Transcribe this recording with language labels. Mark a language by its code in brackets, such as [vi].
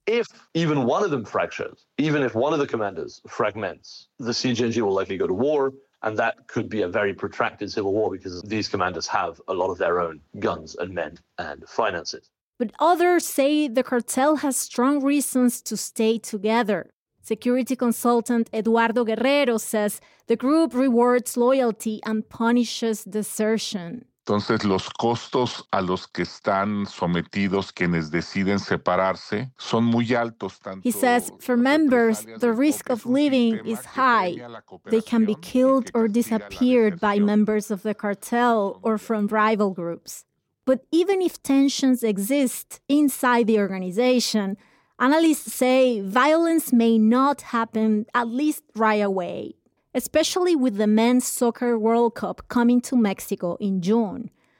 [en] If even one of them fractures, even if one of the commanders fragments, the CGNG will likely go to war, and that could be a very protracted civil war because these commanders have a lot of their own guns and men and finances. But others say the cartel has strong reasons to stay together. Security consultant Eduardo Guerrero says the group rewards loyalty and punishes desertion. [es] Entonces, los costos a los que están sometidos quienes deciden separarse son muy altos. [en] He says, for members, the risk of leaving is high. They can be killed or disappeared by members of the cartel or from rival groups. But even if tensions exist inside the organization, analysts say violence may not happen, at least right away, especially with the Men's Soccer World Cup coming to Mexico in June.